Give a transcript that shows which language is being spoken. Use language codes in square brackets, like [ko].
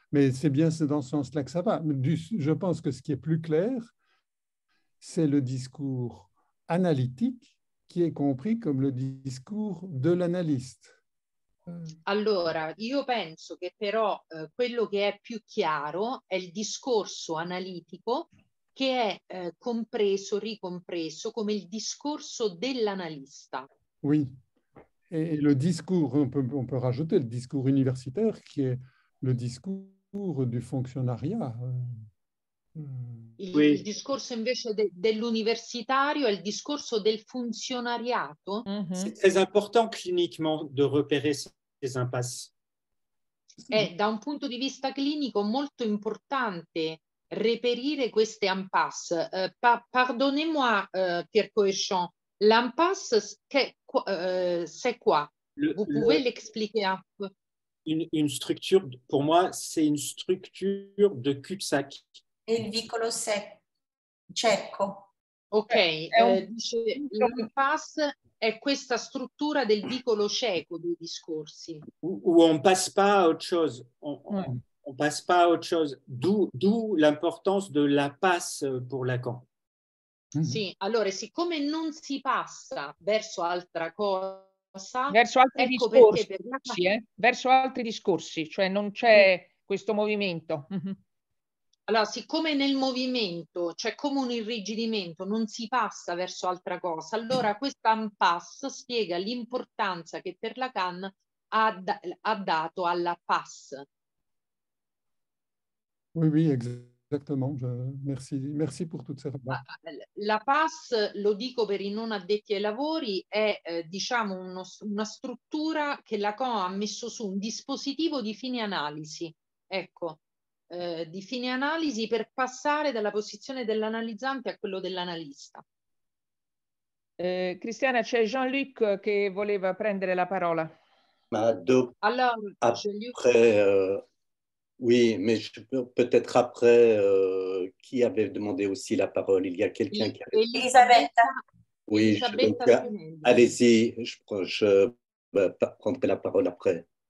[fr] Mais c'est bien dans ce sens-là que ça va. Je pense que ce qui est plus clair, c'est le discours analytique qui est compris comme le discours de l'analyste. [it] Allora, io penso che però quello che è più chiaro è il discorso analitico che è compreso, ricompreso come il discorso dell'analista. [fr] Oui. Et le discours, on peut rajouter le discours universitaire qui est le discours du fonctionnariat. Oui. [it] Il discorso invece dell'universitario è il discorso del funzionariato. Mm-hmm. [fr] C'est très important cliniquement de repérer ces impasses. [it] È da un punto di vista clinico molto importante reperire queste impasse. [fr] Pardonnez-moi, Pierre Coéchon, l'impasse, c'est quoi? Vous pouvez l'expliquer un peu? Une structure, pour moi, c'est une structure de cul-de-sac. [it] Il vicolo cieco. Ok, l'impasse è questa struttura del vicolo cieco dei discorsi. [fr] Où on passe pas à autre chose. On passe pas à autre chose. D'où l'importance de la passe pour Lacan. Mm-hmm. [it] Sì, allora, siccome non si passa verso altra cosa, verso altri ecco discorsi, verso altri discorsi, cioè non c'è questo movimento. Mm-hmm. Allora, siccome nel movimento c'è cioè come un irrigidimento, non si passa verso altra cosa, allora questa impasse spiega l'importanza che per Lacan ha dato alla passe. [fr] Oui, oui, [en] exactly. [fr] Exactement, merci pour toutes ces remarques. [it] La PAS, lo dico per i non addetti ai lavori, è diciamo una struttura che Lacan ha messo su, un dispositivo di fine analisi, ecco, di fine analisi per passare dalla posizione dell'analizzante a quello dell'analista. Cristiana, c'è Jean-Luc che voleva prendere la parola. Ma dopo, allora, Jean-Luc. [fr] Oui, mais peut-être après, qui avait demandé aussi la parole? Il y a quelqu'un qui avait... Elisabeth. Oui, allez-y, je prendrai la parole après.